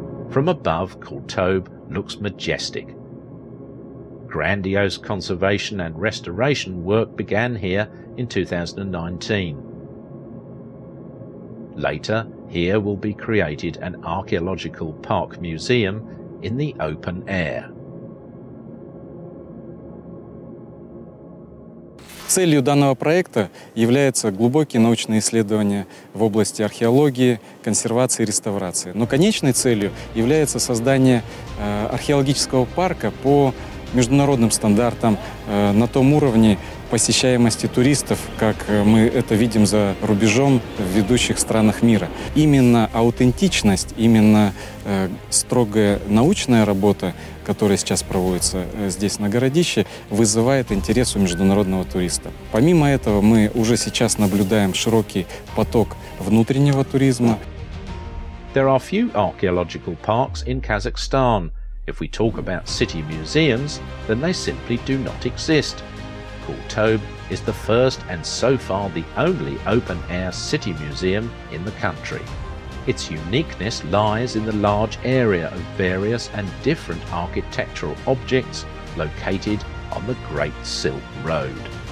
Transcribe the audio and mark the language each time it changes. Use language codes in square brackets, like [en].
[en] From above, Kultobe looks majestic. Grandiose conservation and restoration work began here in 2019. Later, here will be created an archaeological park museum in the open air. [ru] Целью данного проекта является глубокие научные исследования в области археологии, консервации и реставрации. Но конечной целью является создание археологического парка по международным стандартам на том уровне посещаемости туристов, как мы это видим за рубежом в ведущих странах мира. Именно аутентичность, именно строгая научная работа, которая сейчас проводится здесь на городище, вызывает интерес у международного туриста. Помимо этого, мы уже сейчас наблюдаем широкий поток внутреннего туризма. [en] There are few archaeological parks in Kazakhstan. If we talk about city museums, then they simply do not exist. Kultobe is the first and so far the only open-air city museum in the country. Its uniqueness lies in the large area of various and different architectural objects located on the Great Silk Road.